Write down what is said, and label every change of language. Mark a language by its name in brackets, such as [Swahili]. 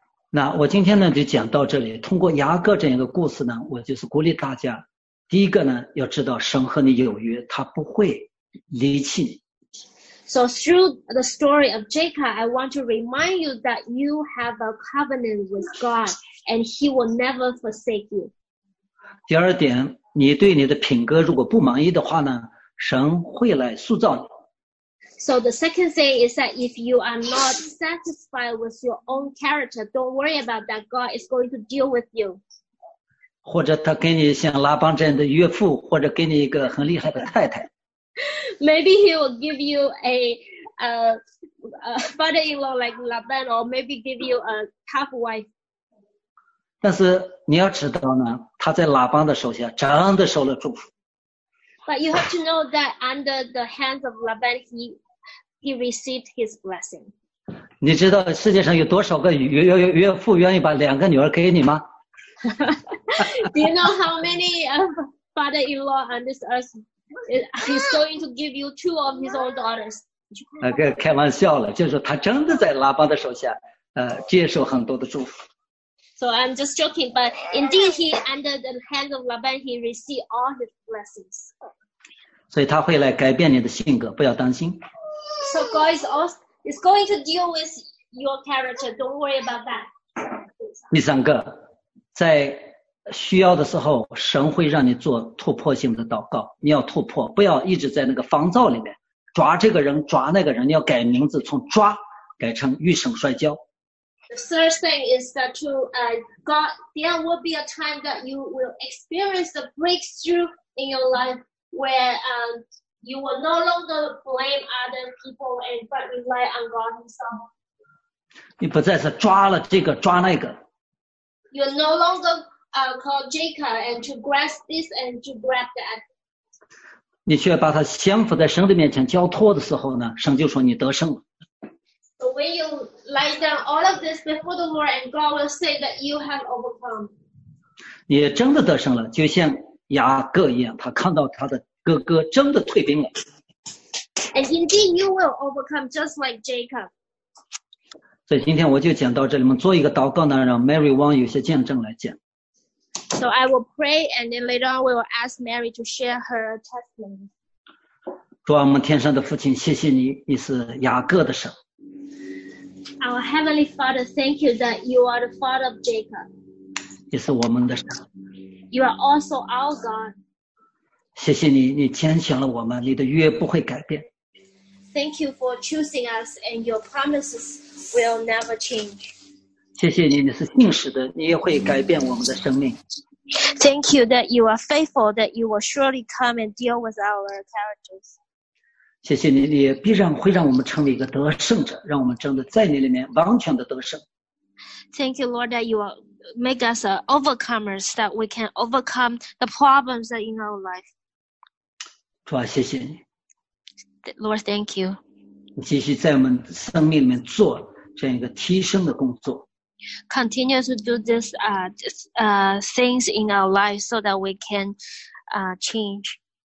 [Chinese] 那我今天呢就讲到这里。通过雅各这样一个故事呢，我就是鼓励大家，第一个呢要知道神和你有约，他不会离弃你。 [English] So through the story of Jacob, I want to remind you that you have a covenant with God, and He will never forsake you. [Chinese] 第二点，你对你的品格如果不满意的话呢？神会来塑造你。 [English] So the second thing is that if you are not satisfied with your own character, don't worry about that. God is going to deal with you. [Chinese] 或者他给你像拉班这样的岳父，或者给你一个很厉害的太太。 [English] Maybe he will give you a father-in-law like Laban, or maybe give you a tough wife. [Chinese] 但是你要知道呢，他在拉班的手下真的受了祝福。 [English] But you have to know that under the hands of Laban, he received his blessing. [Chinese] 你知道世界上有多少个岳父愿意把两个女儿给你吗？ [English] Do you know how many father-in-law on this earth is going to give you two of his own daughters? [Chinese] 开玩笑了，就是他真的在拉班的手下，接受很多的祝福。 [English] So I'm just joking, but indeed he, under the hand of Laban, he received all his blessings. [Chinese] 所以他会来改变你的性格，不要担心。 [English] So God is going to deal with your character, don't worry about that. [Chinese] 第三个，在需要的时候，神会让你做突破性的祷告，你要突破，不要一直在那个方罩里面，抓这个人，抓那个人，你要改名字，从抓改成遇神摔跤。 [English] The third thing is that to God, there will be a time that you will experience the breakthrough in your life where you will no longer blame other people and but rely on God Himself. [Chinese] 你不再是抓了这个抓那个。 [English] You're no longer called Jacob and to grasp this and to grab that. [Chinese] 你却把它降服在神的面前交托的时候呢，神就说你得胜了。 [English] So when you lay down all of this before the Lord, and God will say that you have overcome. [Chinese] 你真的得胜了，就像雅各一样，他看到他的哥哥真的退兵了。 [English] And indeed, you will overcome just like Jacob. [Chinese] 所以今天我就讲到这里，我们做一个祷告呢，让 Mary Wang 有些见证来讲。 [English] So I will pray, and then later on, we will ask Mary to share her testimony. [Chinese] 主啊，我们天上的父亲，谢谢你，你是雅各的神。 [English] Our Heavenly Father, thank you that you are the Father of Jacob. [Chinese] 你是我们的神。 [English] You are also our God. [Chinese] 谢谢你，你拣选了我们，你的约不会改变。 [English] Thank you for choosing us, and your promises will never change. [Chinese] 谢谢你，你是信实的，你也会改变我们的生命。 [English] Thank you that you are faithful, that you will surely come and deal with our characters. [Chinese] 谢谢你，你必然会让我们成为一个得胜者，让我们真的在你里面完全的得胜。 [English] Thank you, Lord, that you will make us overcomers, that we can overcome the problems that in our life. [Chinese] 主啊，谢谢你。 [English] Lord, thank you. [Chinese] 你继续在我们生命里面做这样一个提升的工作。 [English] Continue to do this things in our lives so that we can change.